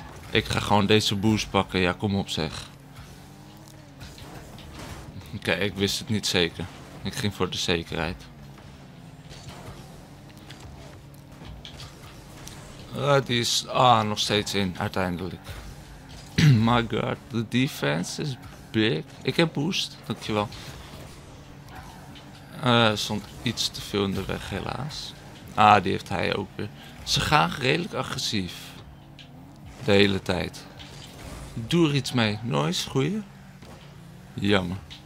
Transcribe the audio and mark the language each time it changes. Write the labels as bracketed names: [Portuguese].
[Dutch] Ik ga gewoon deze boost pakken. Ja, kom op zeg. Oké, ik wist het niet zeker. Ik ging voor de zekerheid. Die is nog steeds in, uiteindelijk. [English] My god, the defense is big. [Dutch] Ik heb boost, dankjewel. Stond iets te veel in de weg, helaas. Ah, die heeft hij ook weer. Ze gaan redelijk agressief. De hele tijd. Doe er iets mee. Nice, goeie. Jammer.